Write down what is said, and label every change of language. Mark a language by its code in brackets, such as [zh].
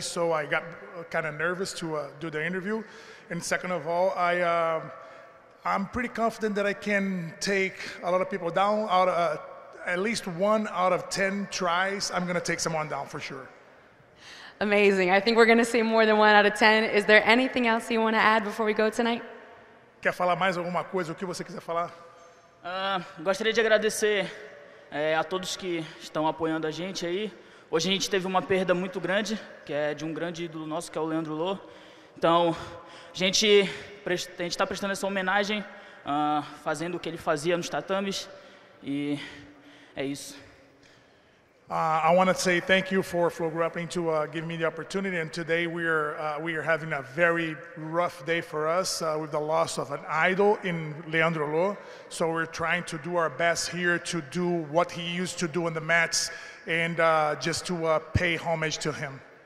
[en] So I got kind of nervous to do the interview. And second of all, I'm pretty confident that I can take a lot of people down. At least one out of 10 tries, I'm going to take someone down for sure. Amazing. I think we're going to see more than one out of 10. Is there anything else you want to add before we go tonight? [pt] Quer falar mais alguma coisa? O que você quiser falar? Gostaria de agradecer a todos que estão apoiando a gente aí. Hoje a gente teve uma perda muito grande, que é de um grande ídolo nosso, que é o Leandro Lô. Então, a gente está prestando essa homenagem, fazendo o que ele fazia nos tatames, e é isso. [en] I want to say thank you for FloGrappling to give me the opportunity. And today we are having a very rough day for us with the loss of an idol in Leandro Lo. So we're trying to do our best here to do what he used to do in the mats and just to pay homage to him.